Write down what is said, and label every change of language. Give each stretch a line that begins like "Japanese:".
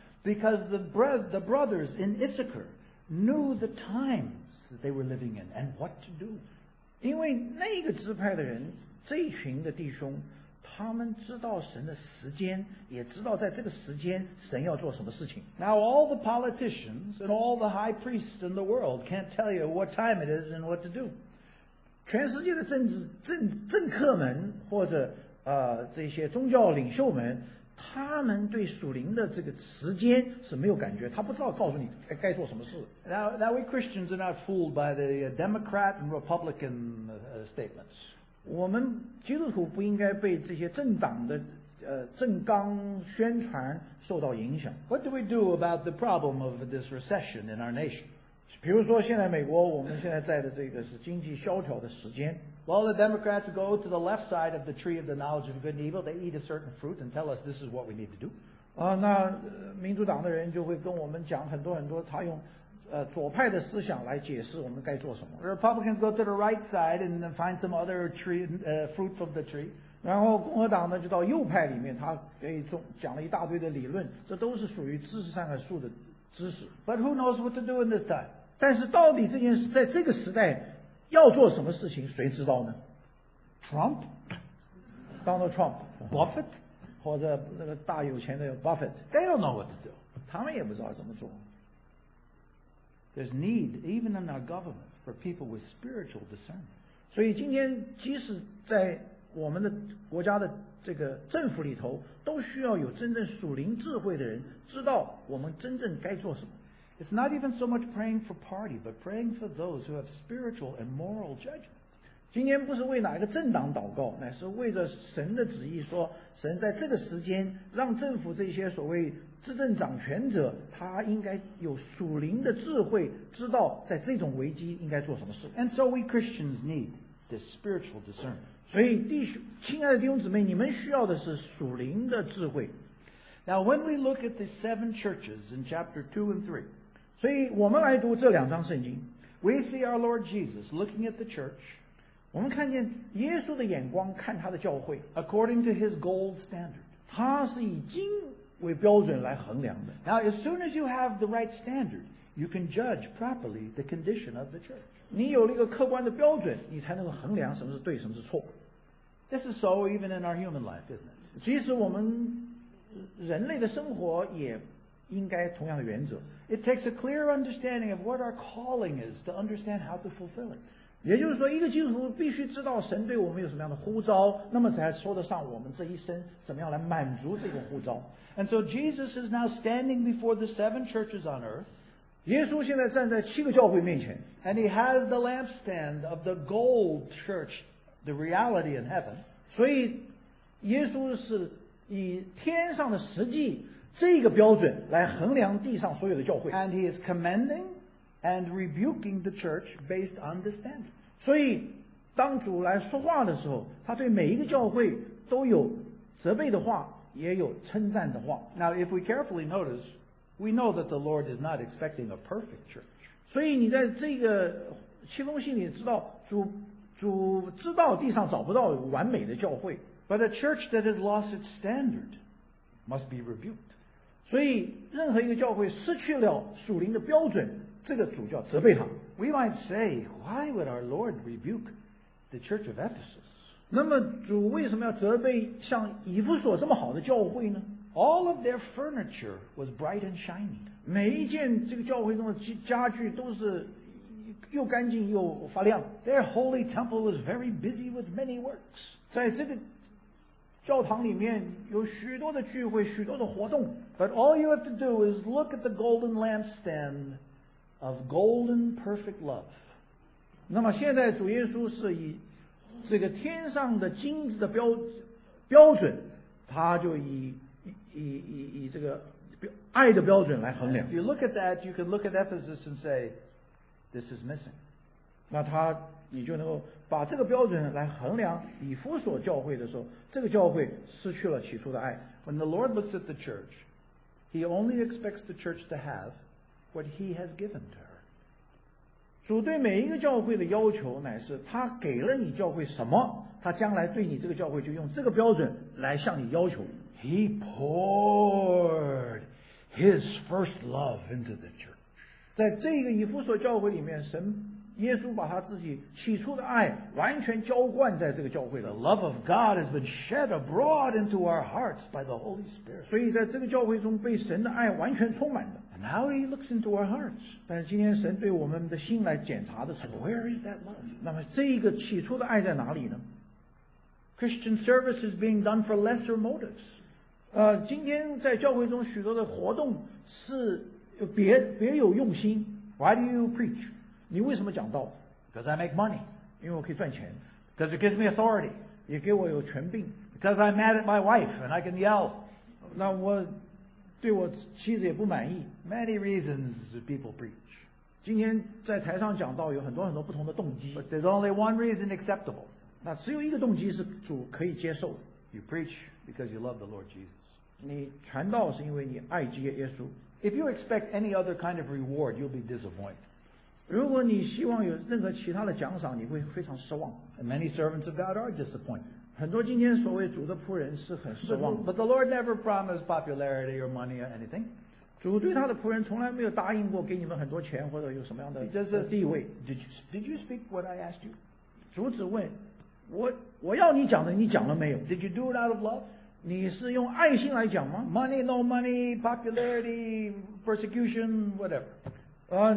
English: Because the brothers in Issachar knew the times that they were living in and what to do.
Chinese: 因为那个支派的人，这一群的弟兄，他们知道神的时间，也知道在这个时间神要做什么事情。
English: Now all the politicians and all the high priests in the world can't tell you what time it is and what to do.
Chinese: 全世界的政客们或者这些宗教领袖们，他们对属灵的这个时间是没有感觉，他不知道告诉你该做什么事。
English: Now we Christians are not fooled by the Democrat and Republican statements.
Chinese: 我们基督徒不应该被这些政党的政纲宣传受到影响。
English: What do we do about the problem of this recession in our nation?
Chinese: 比如说现在美国我们现在在的这个是经济萧条的时间。
English: Well, the Democrats go to the left side of the tree of the knowledge of good and evil. They eat a certain fruit and tell us this is what we need to do.
Chinese: 那民主党的人就会跟我们讲很多很多他用左派的思想来解释我们该做什么。
English: Republicans go to the right side and find some other tree, fruit from the tree.
Chinese: 然后共和党呢就到右派里面，他给讲了一大堆的理论，这都是属于知识上的树的知识。
English: But who knows what to do in this time?
Chinese: 但是到底这件事在这个时代要做什么事情，谁知道呢
English: ？Trump, Donald Trump, Buffett,
Chinese: 或者那个大有钱的 Buffett,
English: they don't know what to do.
Chinese: 他们也不知道怎么做。
English: There's need, even in our government, for people with spiritual discernment.
Chinese: 所以今天即使在我们的国家的这个政府里头，都需要有真正属灵智慧的人，知道我们真正该做什么。
English: It's not even so much praying for party, but praying for those who have spiritual and moral judgment.
Chinese: 今天不是为哪个政党祷告，乃是为着神的旨意，说神在这个时间让政府这些所谓执政掌权者，他应该有属灵的智慧，知道在这种危机应该做什么事。
English: And so we Christians need this spiritual discernment.
Chinese: 所以弟兄，亲爱的弟兄姊妹，你们需要的是属灵的智慧。
English: Now when we look at the seven churches in chapter 2 and 3,
Chinese: 所以我们来读这两章圣经，
English: we see our Lord Jesus looking at the church,
Chinese: 我们看见耶稣的眼光看他的教会，
English: according to his gold standard,
Chinese: 他是以金为标准来衡量的。
English: Now as soon as you have the right standard, you can judge properly the condition of the church.
Chinese: 你有了一个客观的标准，你才能够衡量什么是对，什么是错。
English: This is so even in our human life, isn't it?
Chinese: 其实我们人类的生活也应该同样的原则。
English: It takes a clear understanding of what our calling is to understand how to fulfill it.
Chinese: 也就是说，一个基督徒必须知道神对我们有什么样的呼召，那么才说得上我们这一生怎么样来满足这个呼召。
English: And so Jesus is now standing before the seven churches on earth.
Chinese: 耶稣现在站在七个教会面前。
English: And he has the lampstand of the gold church, the reality in heaven.
Chinese: 所以耶稣是以天上的实际这个标准来衡量地上所有的教会。
English: And he is commending and rebuking the church based on the standard.
Chinese: 所以当主来说话的时候，他对每一个教会都有责备的话，也有称赞的话。
English: Now if we carefully notice, we know that the Lord is not expecting a perfect church.
Chinese: 所以你在这个七封信里知道，主知道地上找不到完美的教会。
English: But a church that has lost its standard must be rebuked.
Chinese: 所以任何一个教会失去了属灵的标准，这个主教责备他。
English: We might say, why would our Lord rebuke the church of Ephesus?
Chinese: 那么主为什么要责备像以弗所这么好的教会呢？
English: All of their furniture was bright and shiny.
Chinese: 每一件这个教会中的家具都是又干净又发亮。
English: Their holy temple was very busy with many works.
Chinese: 在这个教堂里面有许多的聚会，许多的活动。
English: But all you have to do is look at the golden lampstand of golden perfect love.
Chinese: 那么现在主耶稣是以这个天上的金子的 标准，他就以这个爱的标准来衡量。
English: If you look at that, you can look at Ephesus and say, this is missing.
Chinese: 那他你就能够把这个标准来衡量以弗所教会的时候，这个教会失去了起初的爱。
English: When the Lord looks at the church, he only expects the church to have what he has given to her.
Chinese: 主对每一个教会的要求乃是他给了你教会什么，他将来对你这个教会就用这个标准来向你要求。
English: He poured his first love into the church.
Chinese: 在这个以弗所教会里面，神耶稣把他自己起初的爱完全浇灌在这个教会里。
English: The love of God has been shed abroad into our hearts by the Holy Spirit.
Chinese: 所以在这个教会中被神的爱完全充满的。
English: And how he looks into our hearts.
Chinese: 但今天神对我们的心来检查的时候，
English: And where is that love?
Chinese: 那么这个起初的爱在哪里呢？
English: Christian service is being done for lesser motives.
Chinese: 今天在教会中许多的活动是别有用心。
English: Why do you preach?
Chinese: 你为什么讲道？
English: Because I make money.
Chinese: 因为我可以赚钱。
English: Because it gives me authority.
Chinese: 也给我有权柄。
English: Because I'm mad at my wife and I can yell.
Chinese: 那我对我妻子也不满意。
English: Many reasons people preach.
Chinese: 今天在台上讲道有很多很多不同的动机。
English: But there's only one reason acceptable.
Chinese: 那只有一个动机是主可以接受的。
English: You preach because you love the Lord Jesus.
Chinese: 你传道是因为你爱基督耶稣。
English: If you expect any other kind of reward, you'll be disappointed.
Chinese: 如果你希望有任何其他的奖赏，你会非常失望。
English: And many servants of God are disappointed.
Chinese: 很多今天所谓主的仆人是很失望。
English: But the Lord never promised popularity or money or anything.
Chinese: 主对他的仆人从来没有答应过给你们很多钱或者有什么样的地位。
English: Did you speak what I asked you?
Chinese: 主只问我要你讲的，你讲了没有？
English: Did you do it out of love?
Chinese: 你是用爱心来讲吗？
English: Money, no money, popularity, persecution, whatever.